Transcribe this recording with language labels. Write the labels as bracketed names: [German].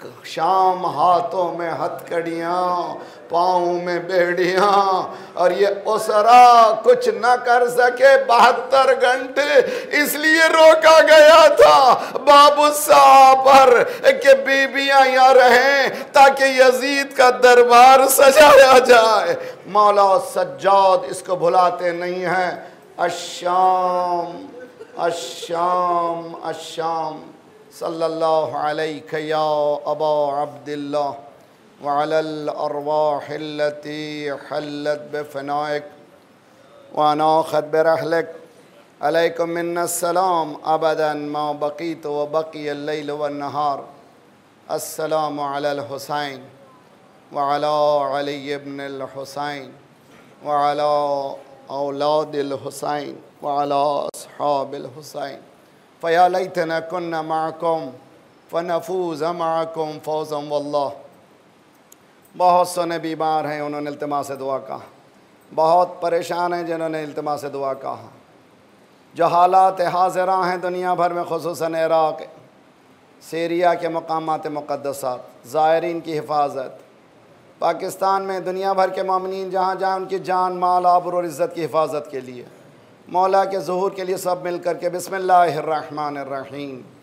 [Urdu] شام ہاتھوں میں ہتھکڑیاں, پاؤں میں بیڑیاں, اور یہ اسرا کچھ نہ کر سکے 72 گھنٹے. اس لیے روکا گیا تھا باب الصحابہ پر کہ بیبیاں یہاں رہیں تاکہ یزید کا دربار سجایا جائے. مولا سجاد اس کو بھلاتے نہیں ہیں. [Arabic] الشام الشام الشام, صلی اللہ علیک یا ابا عبداللہ وعلى الارواح التي حلت بفنائك واناخت برحلك, عليكم منا السلام ابدا ما بقيت وبقي الليل والنهار. السلام على الحسين وعلى علي بن الحسين وعلى اولاد الحسين وعلى اصحاب الحسين, فيا ليتنا كنا معكم فنفوز معكم فوزا. [Urdu] والله بہت سنے بیمار ہیں انہوں نے التماس دعا کہا, بہت پریشان ہیں جنہوں نے التماس دعا کہا. جو حالات حاضرہ ہیں دنیا بھر میں, خصوصاً عراق سیریا کے مقامات مقدسات, زائرین کی حفاظت, پاکستان میں دنیا بھر کے مومنین جہاں جائیں ان کی جان مال آبرو اور عزت کی حفاظت کے لیے, مولا کے ظہور کے لیے سب مل کر کے, بسم اللہ الرحمن الرحیم.